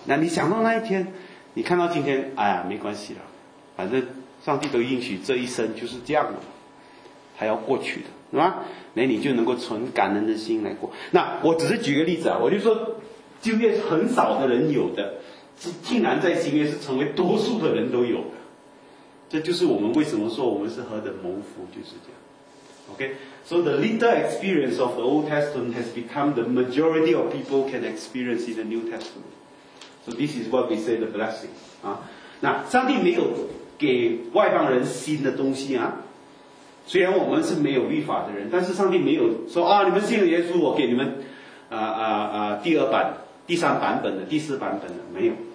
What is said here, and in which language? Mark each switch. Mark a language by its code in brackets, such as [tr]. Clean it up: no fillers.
[zh] 那你想到那一天，你看到今天，哎呀，没关系了，反正上帝都应许这一生就是这样的，他要过去的，是吧？那你就能够存感恩的心来过。那我只是举个例子啊，我就说，旧约很少的人有的，竟然在新约是成为多数的人都有的。这就是我们为什么说我们是何等蒙福，就是这样。 [en] OK， so the little experience of the Old Testament has become the majority of people can experience in the New Testament. So this is what we say the blessing. [zh] 啊，那上帝没有给外邦人新的东西啊。虽然我们是没有律法的人，但是上帝没有说啊，你们信了耶稣，我给你们第二版、第三版本的、第四版本的，没有。